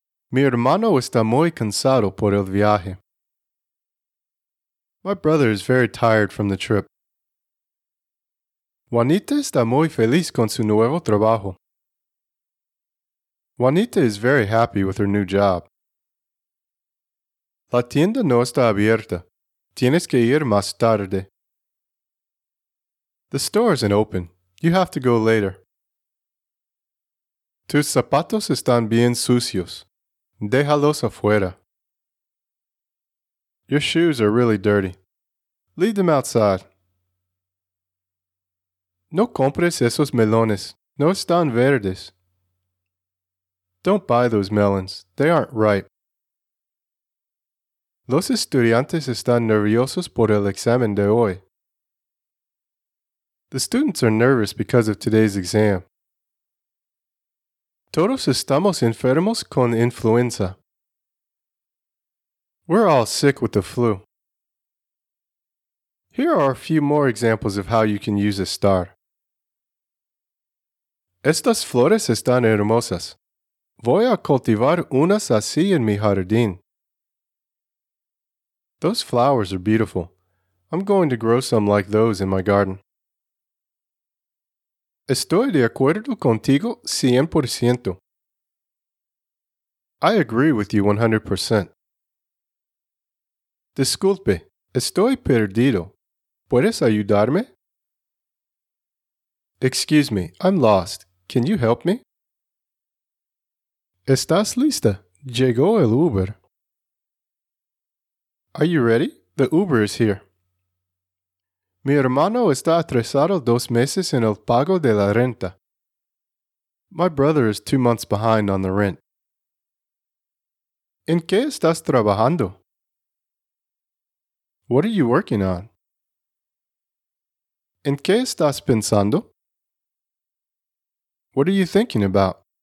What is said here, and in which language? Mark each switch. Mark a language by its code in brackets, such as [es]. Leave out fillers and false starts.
[es] Mi hermano está muy cansado por el viaje. [en] My brother is very tired from the trip. [es] Juanita está muy feliz con su nuevo trabajo. [en] Juanita is very happy with her new job. [es] La tienda no está abierta. Tienes que ir más tarde. [en] The store isn't open. You have to go later. [es] Tus zapatos están bien sucios. Déjalos afuera. [en] Your shoes are really dirty. Leave them outside. [es] No compres esos melones. No están verdes. [en] Don't buy those melons. They aren't ripe. [es] Los estudiantes están nerviosos por el examen de hoy. [en] The students are nervous because of today's exam. [es] Todos estamos enfermos con influenza. [en] We're all sick with the flu. Here are a few more examples of how you can use a star. [es] Estas flores están hermosas. Voy a cultivar unas así en mi jardín. [en] Those flowers are beautiful. I'm going to grow some like those in my garden. [es] Estoy de acuerdo contigo 100%. [en] I agree with you 100%. [es] Disculpe, estoy perdido. ¿Puedes ayudarme? [en] Excuse me, I'm lost. Can you help me? [es] ¿Estás lista? Llegó el Uber. [en] Are you ready? The Uber is here. [es] Mi hermano está atrasado 2 meses en el pago de la renta. [en] My brother is 2 months behind on the rent. [es] ¿En qué estás trabajando? [en] What are you working on? [es] ¿En qué estás pensando? [en] What are you thinking about?